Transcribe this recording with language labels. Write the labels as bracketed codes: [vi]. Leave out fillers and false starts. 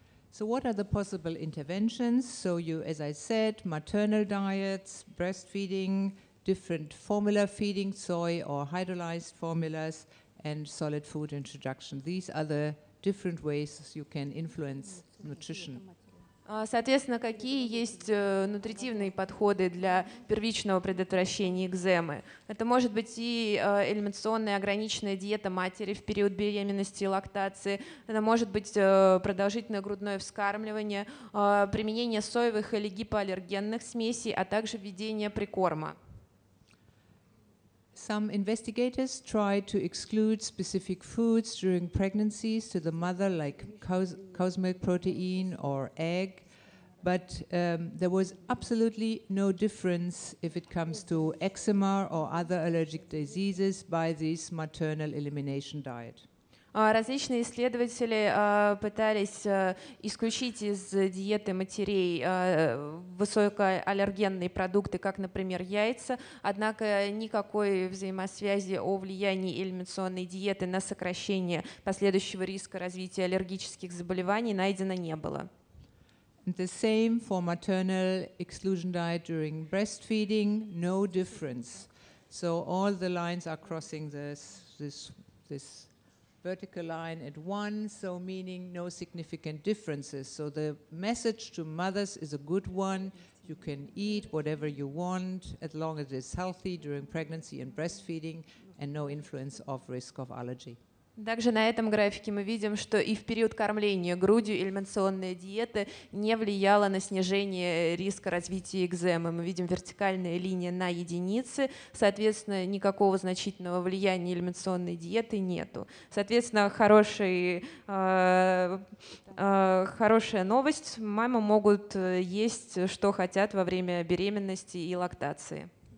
[en] So what are the possible interventions? So you, as I said, maternal diets, breastfeeding, different formula feeding, soy or hydrolyzed formulas, and solid food introduction. These are the different ways you can influence nutrition. [ru] Соответственно, какие есть нутритивные подходы для первичного предотвращения экземы? Это может быть и элиминационная ограниченная диета матери в период беременности и лактации, это может быть продолжительное грудное вскармливание, применение соевых или гипоаллергенных смесей, а также введение прикорма. [en] Some investigators try to exclude specific foods during pregnancies to the mother, like cow's milk protein or egg. But there was absolutely no difference if it comes to eczema or other allergic diseases by this maternal elimination diet. Различные исследователи пытались исключить из диеты матерей высокоаллергенные продукты, как, например, яйца, однако никакой взаимосвязи о влиянии элиминационной диеты на сокращение последующего риска развития аллергических заболеваний найдено не было. The same for maternal exclusion diet during breastfeeding, no difference. So all the lines are crossing this vertical line at one, so meaning no significant differences. So the message to mothers is a good one. You can eat whatever you want as long as it's healthy during pregnancy and breastfeeding and no influence of risk of allergy. [ru] Также на этом графике мы видим, что и в период кормления грудью элиминационная диета не влияла на снижение риска развития экземы. Мы видим вертикальные линии на единице, соответственно, никакого значительного влияния элиминационной диеты нету. Соответственно, хорошая новость, мамы могут есть, что хотят во время беременности и лактации.